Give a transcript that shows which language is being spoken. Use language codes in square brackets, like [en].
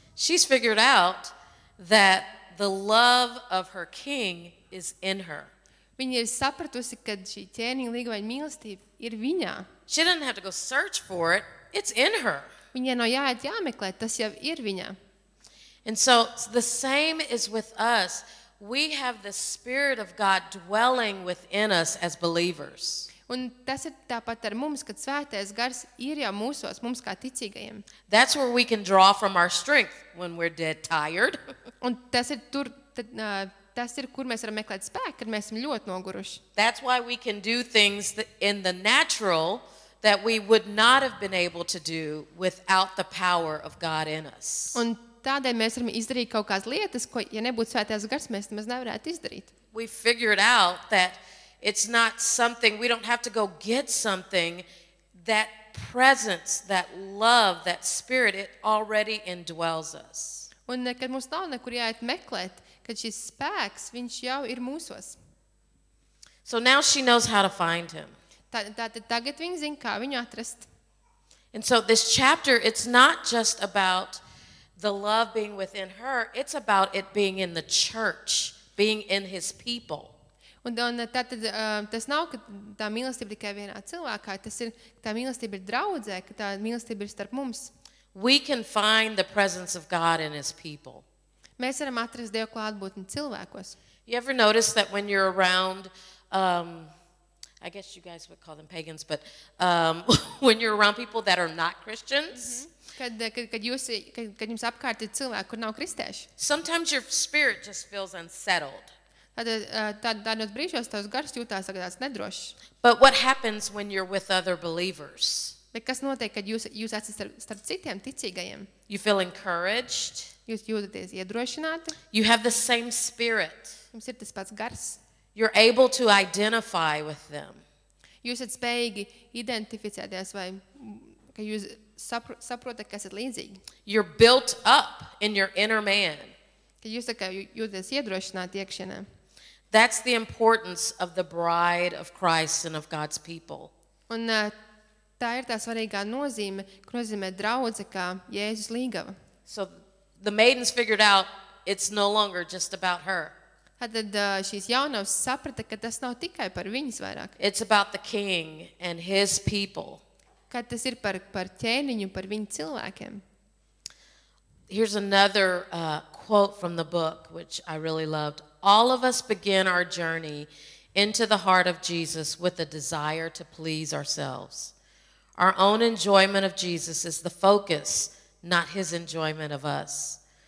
[en] She's figured out that the love of her king is in her. [lv] Viņa ir sapratusi, ka šī ķēniņa līgavaiņa mīlestība ir viņā. [en] She doesn't have to go search for it, it's in her. [lv] Viņai nav jāiet jāmeklē, tas jau ir viņā. [en] And so the same is with us. We have the Spirit of God dwelling within us as believers. [lv] Un tas ir tāpat ar mums, kad Svētais Gars ir jau mūsos, mums kā ticīgajiem. [en] That's where we can draw from our strength when we're dead tired. [lv] Un tas ir tur, tas ir, kur mēs varam meklēt spēku, kad mēs esam ļoti noguruši. [en] That's why we can do things in the natural that we would not have been able to do without the power of God in us. [lv] Un tādēļ mēs varam izdarīt kaut kādas lietas, ko, ja nebūtu Svētais Gars, mēs nemaz nevarētu izdarīt. [en] We figured out that it's not something, we don't have to go get something, that presence, that love, that spirit, it already indwells us. [lv] Un kad mums nav nekur jāiet meklēt, kad šis spēks, viņš jau ir mūsos. [en] So now she knows how to find him. [lv] Tagad viņa zina, kā viņu atrast. [en] And so this chapter, it's not just about the love being within her, it's about it being in the church, being in his people. [lv] Un tātad, tas nav, ka tā mīlestība tikai vienā cilvēkā, tas ir, ka tā mīlestība ir draudzē, ka tā mīlestība ir starp mums. [en] We can find the presence of God in his people. [lv] Mēs varam atrast Dievu klātbūtni cilvēkos. [en] You ever notice that when you're around, I guess you guys would call them pagans, but when you're around people that are not Christians, [lv] kad jums apkārt ir cilvēki, kur nav kristieši. [en] Sometimes your spirit just feels unsettled. [lv] Tādos brīžos tavs gars jūtās tagadās nedrošs. [en] But what happens when you're with other believers? [lv] Bet kas notiek, kad jūs esat starp citiem ticīgajiem? [en] You feel encouraged. [lv] Jūs jūtaties iedrošināti. [en] You have the same spirit. [lv] Jums ir tas pats gars. [en] You're able to identify with them. [lv] Jūs esat spējīgi identificēties vai ka jūs saprotat, ka esat līdzīgi. [en] You're built up in your inner man. [lv] Kad jūs sakāt, jūties iedrošināti iekšienē. [en] That's the importance of the bride of Christ and of God's people. [lv] Un tā ir tā svarīgā nozīme, ko nozīmē draudze, kā Jēzus līgava. [en] So the maidens figured out it's no longer just about her. [lv] Tad šīs jaunavas saprata, ka tas nav tikai par viņas vairāk. [en] It's about the king and his people. [lv] Kad tas ir par ķēniņu, par viņu cilvēkiem. [en] Here's another quote from the book, which I really loved. All of us begin our journey into the heart of Jesus with a desire to please ourselves. Our own enjoyment of Jesus is the focus, not his enjoyment of us.